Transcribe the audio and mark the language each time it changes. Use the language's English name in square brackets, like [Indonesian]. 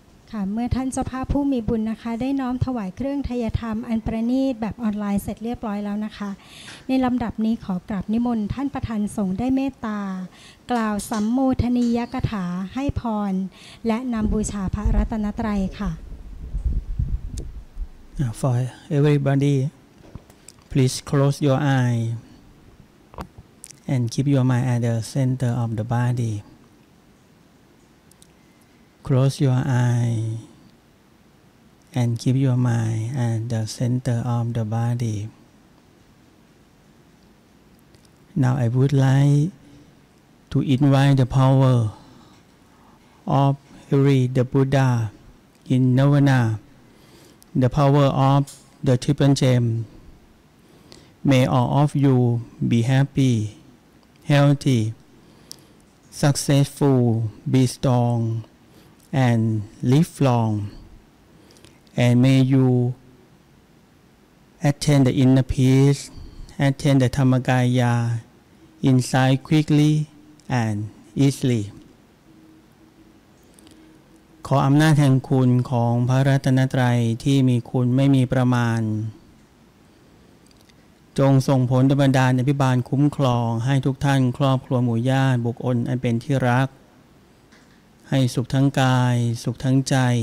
[Thai] ค่ะเมื่อท่านเจ้าภาพผู้มีบุญนะคะได้น้อมถวายเครื่องทายธรรมอันประณีตแบบออนไลน์เสร็จเรียบร้อยแล้วนะคะในลำดับนี้ขอกราบนิมนต์ท่านประธานสงฆ์ได้เมตตากล่าวสัมโมทนียกถาให้พรและนำบูชาพระรัตนตรัยค่ะ [English] For everybody please close your eyesAnd keep your mind at the center of the body. Close your eye and keep your mind at the center of the body. Now I would like to invite the power of Hari the Buddha in Novena, the power of the Triple Gem. May all of you be happyhealthy, successful, be strong, and live long. And may you attain the inner peace, attain the Dhammakaya inside quickly and easily. [Thai] ขออำนาจแห่งคุณของพระรัตนตรัยที่มีคุณไม่มีประมาณจงส่งผลดบันดาลอภิบาลคุ้มครองให้ทุกท่านครอบครัวหมู่ญาติบุคคลอันเป็นที่รักให้สุขทั้งกายสุขทั้งใจ